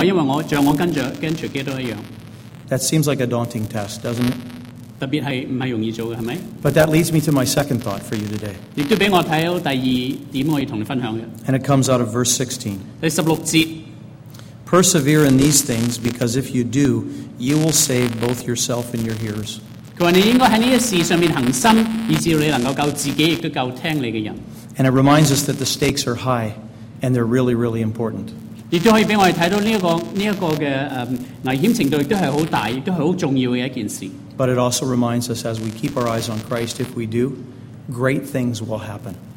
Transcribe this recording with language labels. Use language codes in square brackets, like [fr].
[zh] 正如保罗对这个哥林多前书的人说，你们要跟随我，因为我像我跟着基督一样。 [en] That seems like a daunting task, doesn't it? [zh] 特别是不是容易做的，是吧？ [en] But that leads me to my second thought for you today. [zh] 亦都让我看到第二点可以跟你分享的。And [en] it comes out of verse 16. [zh] 第16节。 [en] Persevere in these things, because if you do, you will save both yourself and your hearers. [zh] 他说你应该在这些事上面恒心，以致你能够救自己，亦都救听你的人。 [en] And it reminds us that the stakes are high, and they're really, really important. [zh] 亦都可以让我们看到这个危险程度，亦都是很大，亦都是很重要的一件事。 [en] But it also reminds us, as we keep our eyes on Christ, if we do, great things will happen.